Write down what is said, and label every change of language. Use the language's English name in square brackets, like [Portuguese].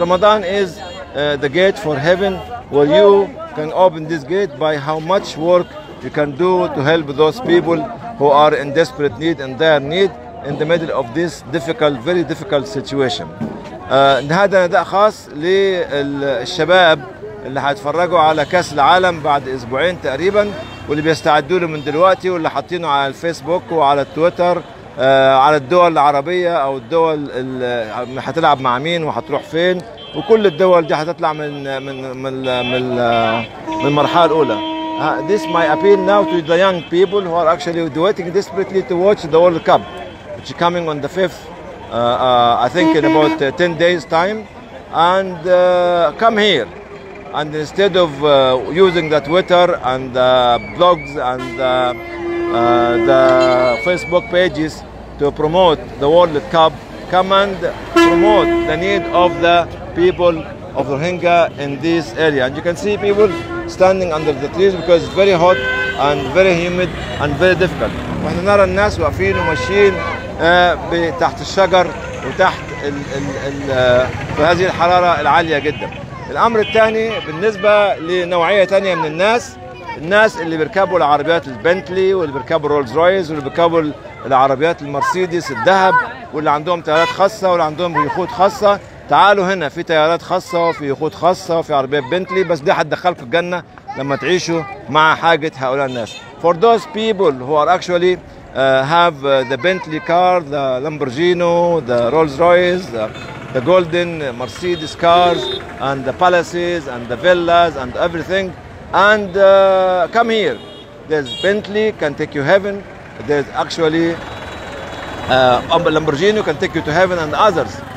[English] Ramadan is the gate for heaven, where you can open this gate by how much work you can do to help those people who are in desperate need and their need in the middle of this difficult, very difficult situation. [Arabic] هذا نداء خاص للشباب اللي هيتفرجوا على كاس العالم بعد اسبوعين تقريبا، واللي بيستعدوا له من دلوقتي، واللي حاطينه على الفيسبوك وعلى التويتر، على الدول العربيه او الدول اللي هتلعب مع مين وهتروح فين، وكل الدول دي هتطلع من من من من, من المرحله الاولى. [English] This my appeal now to the young people who are actually waiting desperately to watch the World Cup, which is coming on the 5th. I think in about 10 days time, and come here, and instead of using the Twitter and the blogs and the Facebook pages to promote the World Cup, come and promote the need of the people of Rohingya in this area. And you can see people standing under the trees because it's very hot and very humid and very difficult. [Arabic] واحنا نرى الناس واقفين وماشيين تحت الشجر وتحت الـ في هذه الحراره العاليه جدا. الامر الثاني بالنسبه لنوعيه ثانيه من الناس، الناس اللي بيركبوا العربيات البنتلي واللي بيركبوا رولز رويس واللي بيركبوا العربيات المرسيدس الذهب، واللي عندهم طيارات خاصه واللي عندهم يخوت خاصه، تعالوا هنا في طيارات خاصه وفي يخوت خاصه وفي عربيات بنتلي، بس دي هتدخلكم الجنه لما تعيشوا مع حاجه هؤلاء الناس. [English] For those people who are actually have the Bentley car, the Lamborghini, the Rolls Royce, the golden Mercedes cars, and the palaces and the villas and everything, and come here. There's Bentley can take you heaven. There's actually Lamborghini can take you to heaven and others.